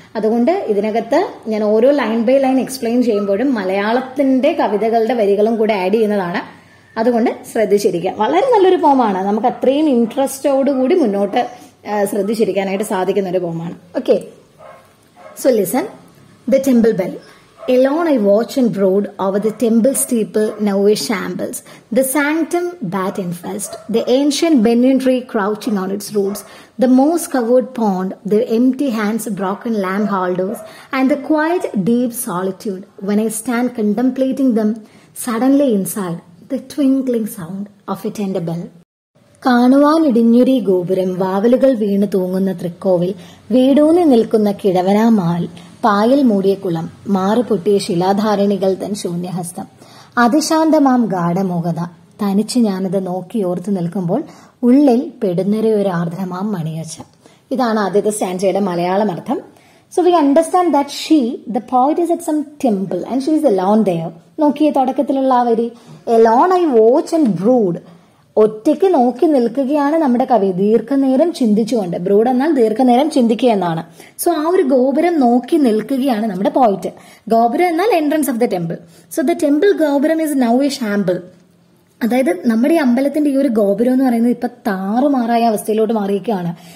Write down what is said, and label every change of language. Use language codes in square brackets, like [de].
[ml] അതുകൊണ്ട് ഇതിനകത്ത് ഞാൻ ഓരോ ലൈൻ ബൈ ലൈൻ എക്സ്പ്ലെയിൻ ചെയ്യുമ്പോഴും മലയാളത്തിന്റെ കവിതകളുടെ വരികളും കൂടെ ആഡ് ചെയ്യുന്നതാണ്. അതുകൊണ്ട് ശ്രദ്ധിച്ചിരിക്കുക. വളരെ നല്ലൊരു പോമാണ്. നമുക്ക് അത്രയും ഇൻട്രസ്റ്റോടുകൂടി മുന്നോട്ട് ശ്രദ്ധിച്ചിരിക്കാനായിട്ട് സാധിക്കുന്ന ഒരു പോമാണ്. [en] Okay, so listen. The temple bell. Alone I watch and brood over the temple steeple now a shambles. The sanctum bat infest, the ancient banyan tree crouching on its roots, the moss covered pond, the empty hands broken lamp holders, and the quiet deep solitude. When I stand contemplating them, suddenly inside, the twinkling sound of a tender bell. [ml] കാണുവാൻ ഇടിഞ്ഞുരി ഗോപുരം, വാവലുകൾ വീണു തൂങ്ങുന്ന തൃക്കോവിൽ, വീടൂന്നി നിൽക്കുന്ന കിടവനാമാൽ, പായൽ മൂടിയ കുളം, മാറു പൊട്ടിയ ശിലാധാരണികൾ തൻ ശൂന്യഹസ്തം, അതിശാന്തമാം ഗാഢമോഹത, തനിച്ച് ഞാനത് നോക്കിയോർത്ത് നിൽക്കുമ്പോൾ ഉള്ളിൽ പെടുന്നൊരു ഒരു ആർദ്രമാം മണിയച്ച. ഇതാണ് ആദ്യത്തെ സ്റ്റാൻസയുടെ മലയാളം അർത്ഥം. [en] So we understand that she, the poet, is at some temple and she is alone there. [ml] നോക്കിയ തുടക്കത്തിലുള്ള ആ വരി, [en] alone I watch and brood. [ml] ഒറ്റയ്ക്ക് നോക്കി നിൽക്കുകയാണ് നമ്മുടെ കവി, ദീർഘനേരം ചിന്തിച്ചുകൊണ്ട്. ബ്രൂഡ് എന്നാൽ ദീർഘനേരം ചിന്തിക്കുക എന്നാണ്. സോ ആ ഒരു ഗോപുരം നോക്കി നിൽക്കുകയാണ് നമ്മുടെ പോയിറ്റ്. ഗോപുരം എന്നാൽ [en] Entrance of the temple. So the temple gopuram is now a shamble. [ml] അതായത് നമ്മുടെ ഈ അമ്പലത്തിന്റെ ഈ ഒരു ഗോപുരം എന്ന് പറയുന്നത് ഇപ്പൊ താറുമാറായ അവസ്ഥയിലോട്ട് മാറിയിരിക്കുകയാണ്.